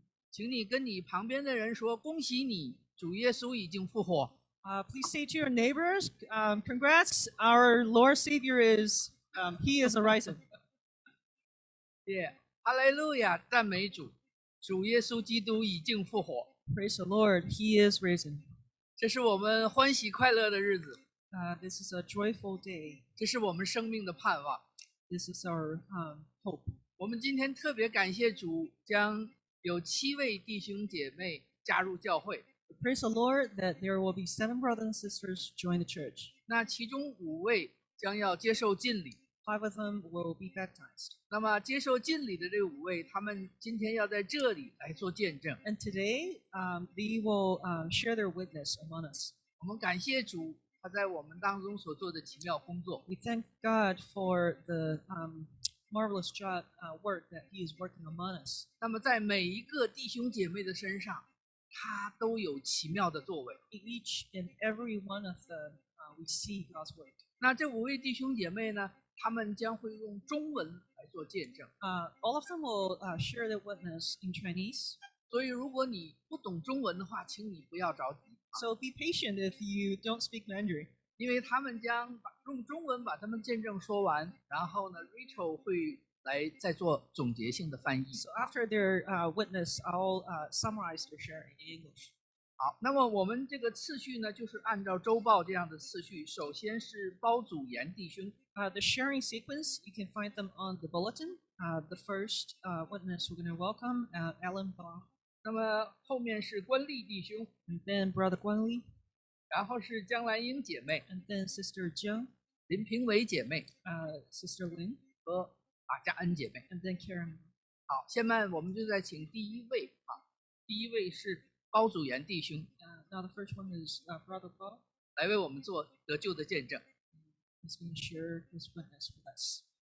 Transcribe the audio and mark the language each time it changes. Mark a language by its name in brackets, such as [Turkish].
[Chinese] 请你跟你旁边的人说，恭喜你，主耶稣已经复活。 [English] Please say to your neighbors, congrats, our Lord Savior is, he is arisen. [Chinese] Yeah, hallelujah, 赞美主，主耶稣基督已经复活。 [English] Praise the Lord, he is risen. [Chinese] 这是我们欢喜快乐的日子。 [English] This is a joyful day. [Chinese] 这是我们生命的盼望。 [English] This is our hope. [Chinese] 我们今天特别感谢主，将有七位弟兄姐妹加入教会。 [English] Praise the Lord that there will be seven brothers and sisters join the church. [Chinese] 那其中五位将要接受浸礼。 [English] Five of them will be baptized. [Chinese] 那么接受浸礼的这五位，他们今天要在这里来做见证。 [English] And today, they will share their witness among us. [Chinese] 我们感谢主。他在我们当中所做的奇妙工作。 [English] We thank God for the marvelous job work that He is working among us. [Chinese] 那么在每一个弟兄姐妹的身上，他都有奇妙的作为。 [English] In each and every one of them, we see God's work. [Chinese] 那这五位弟兄姐妹呢？他们将会用中文来做见证。 [English] All of them will share their witness in Chinese. [Chinese] 所以如果你不懂中文的话，请你不要着急。 [English] So be patient if you don't speak Mandarin. [Chinese] 因为他们将用中文把他们见证说完，然后呢 ，Rachel 会来再做总结性的翻译。 [English] So after their witness, I'll summarize their share in English. [Chinese] 好，那么我们这个次序呢，就是按照周报这样的次序，首先是包祖炎弟兄。 [English] The sharing sequence, you can find them on the bulletin. The first witness we're going to welcome, Alan Bong. [Chinese] 那么后面是关丽弟兄 [English] ，and then brother 关丽， [Chinese] 然后是江兰英姐妹 [English] ，and then sister 江， [Chinese] 林平伟姐妹 [English] ，sister 林 [Chinese] 和马嘉恩姐妹 [English] ，and then Karen。 [Chinese] 好，下面我们就再请第一位啊，第一位是包祖炎弟兄 [English] ，now the first one is brother Paul， [Chinese] 来为我们做得救的见证。 [English] He's going to share his witness with us.